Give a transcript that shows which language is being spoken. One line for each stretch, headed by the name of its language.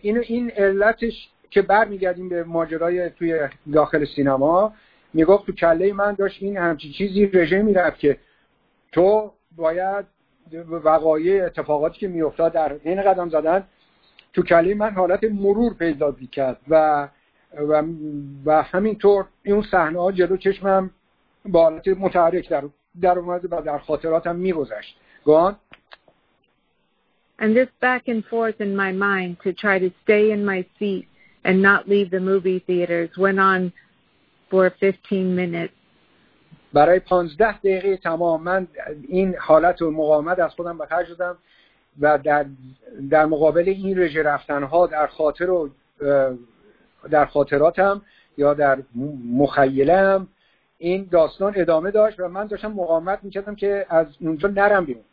English: In Latish,
Persian: که برمیگردیم به ماجرای توی داخل سینما، میگفت تو کله من داشت این همچی چیزی رژه میرفت که تو باید وقایع اتفاقاتی که میافتاد در این قدم زدن تو کلی من حالت مرور پیدا میکرد و همینطور اون صحنه ها جلو چشمم با حالت متحرک در اومد و در خاطراتم میگذشت.
English: Go on. And this back and forth in my mind to try to stay in my seat and not leave the movie theaters went on for 15 minutes.
Persian: برای 15 دقیقه تمام من این حالت و مقاومت از خودم به خرج دادم و در مقابل این رژه رفتن ها در خاطر و در خاطراتم یا در مخیلم این داستان ادامه داشت و من داشتم مقاومت میکردم که از اونجا نرم بیرون.